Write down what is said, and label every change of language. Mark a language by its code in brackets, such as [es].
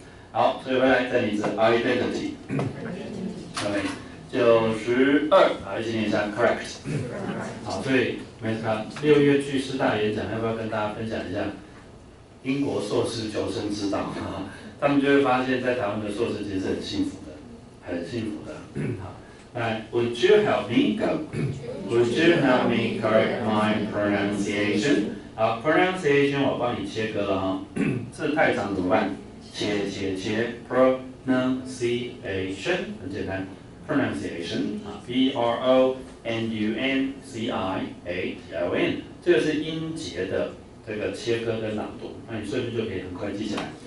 [zh] 好，所以回来再念一次 identity。OK。 92，好，一起念一下 ，correct。好，所以 Meska 6月去师大演讲，要不要跟大家分享一下英国硕士求生之道啊？他们就会发现，在台湾的硕士其实很幸福的，很幸福的。好，那 [en] Would you help me go? Would you help me correct my pronunciation? [zh] 好 ，pronunciation 我帮你切割了哈，字太长怎么办？切 ，pronunciation 很简单。 pronunciation pronunciation 这个是音节的这个切割跟朗读，那你顺便就可以很快记下来。